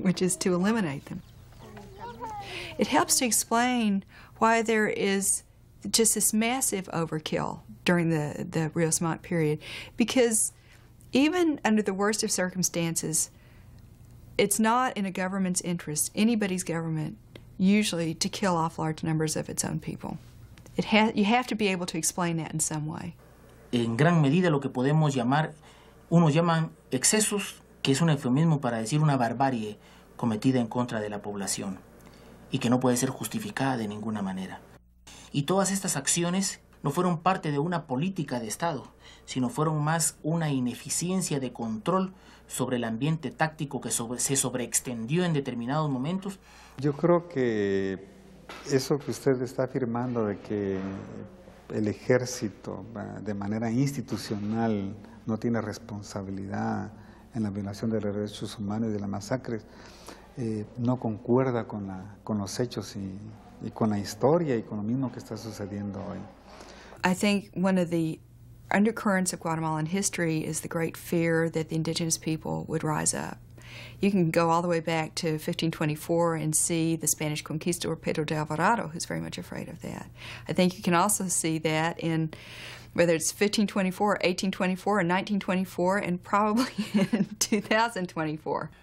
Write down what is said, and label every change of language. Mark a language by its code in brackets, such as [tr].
[en] Which is to eliminate them. It helps to explain why there is just this massive overkill during the Rios Montt period, because even under the worst of circumstances, it's not in a government's interest, anybody's government, usually to kill off large numbers of its own people. You have to be able to explain that in some way. [es] En gran medida lo que podemos llamar, unos llaman excesos, que es un eufemismo para decir una barbarie cometida en contra de la población y que no puede ser justificada de ninguna manera. Y todas estas acciones no fueron parte de una política de Estado, sino fueron más una ineficiencia de control sobre el ambiente táctico que se sobreextendió en determinados momentos. Yo creo que eso que usted está afirmando de que el ejército de manera institucional no tiene responsabilidad en la violación de los derechos humanos y de las masacres, no concuerda con los hechos y con la historia y con lo mismo que está sucediendo hoy. [en] I think one of the undercurrents of Guatemalan history is the great fear that the indigenous people would rise up. You can go all the way back to 1524 and see the Spanish conquistador Pedro de Alvarado, who's very much afraid of that. I think you can also see that in whether it's 1524, 1824, or 1924, and probably in 2024.